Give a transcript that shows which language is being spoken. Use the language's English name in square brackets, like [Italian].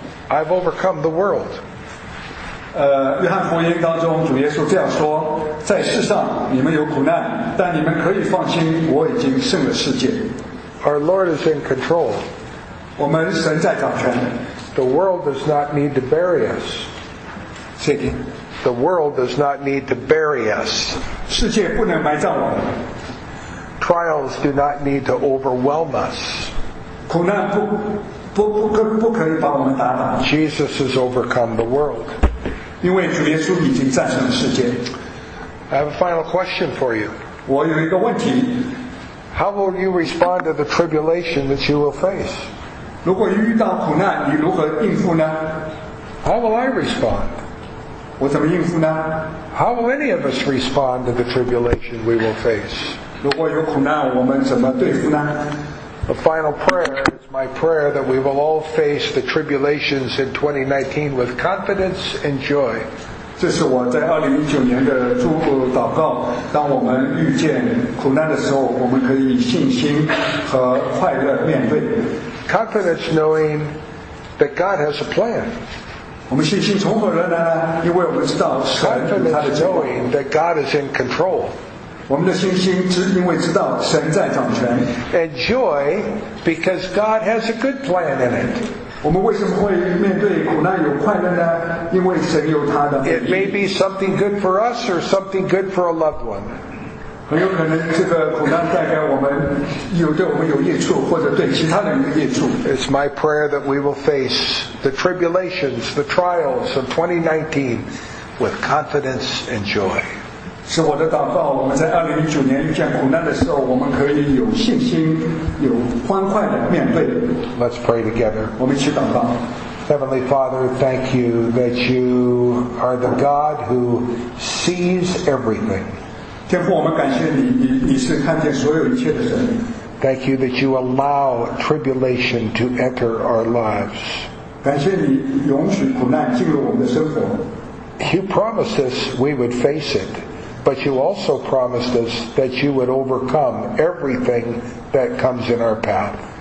[English] I've overcome the world. [Chinese] 约翰福音当中主耶稣这样说，在世上你们有苦难，但你们可以放心，我已经胜了世界。 [English] Our Lord is in control. [Chinese] 我们神在掌权。 [English] The world does not need to bury us. [Chinese] 谢谢。 [English] The world does not need to bury us. [Chinese] 世界不能埋葬我们。 [English] Trials do not need to overwhelm us. [Chinese] 苦难不可以把我们打倒。 [English] Jesus has overcome the world. [Chinese] 因为主耶稣已经战胜了世界。 [English] I have a final question for you. [Chinese] 我有一个问题。 [English] How will you respond to the tribulation that you will face? [Chinese] 如果遇到苦难，你如何应付呢？ [English] How will I respond? [Chinese] 我怎么应付呢？ [English] How will any of us respond to the tribulation we will face? [Chinese] 如果有苦难，我们怎么对付呢？ [English] A final prayer is my prayer that we will all face the tribulations in 2019 with confidence and joy. [Chinese] 这是我在2019年的祝福祷告，当我们遇见苦难的时候，我们可以信心和快乐面对。 [English] Confidence knowing that God has a plan. [Chinese] 我们信心从何而来呢？因为我们知道神有他的计划。 [English] Knowing that God is in control. [Chinese] 我们的信心只因为知道神在掌权。 [English] And joy because God has a good plan in it. [Chinese] 我们为什么会面对苦难有快乐呢？因为神有他的美意。 [English] It may be something good for us or something good for a loved one. [Chinese] 很有可能这个苦难带给我们有对我们有益处，或者对其他人有益处。 [English] It's my prayer that we will face the tribulations, the trials of 2019 with confidence and joy. [Chinese] 是我的祷告，我们在2019年遇见苦难的时候，我们可以有信心、有欢快的面对。 [English] Let's pray together. [Chinese] 我们一起祷告。 [English] Heavenly Father, thank you that you are the God who sees everything. [Chinese] 天父，我们感谢你，你是看见所有一切的神。 [English] Thank you that you allow tribulation to enter our lives. [Chinese] 感谢你允许苦难进入我们的生活。 [English] You promised us we would face it. But you also promised us that you would overcome everything that comes in our path.